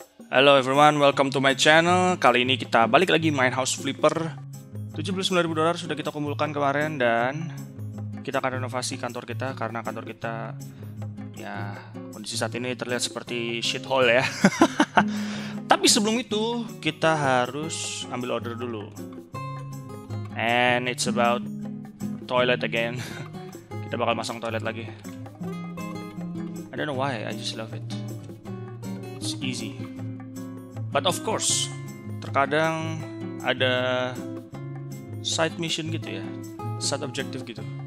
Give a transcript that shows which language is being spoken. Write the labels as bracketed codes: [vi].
[en] Hello everyone, welcome to my channel. [id] Kali ini kita balik lagi main House Flipper. 79.000 dolar sudah kita kumpulkan kemarin dan kita akan renovasi kantor kita karena kantor kita ya kondisi saat ini terlihat seperti [en] shit hole [id] ya. Tapi sebelum itu kita harus ambil order dulu. [en] And it's about toilet again. [id] Kita bakal masang toilet lagi. [en] I don't know why, I just love it. It's easy. But of course, [id] terkadang ada side mission gitu ya, side objective gitu.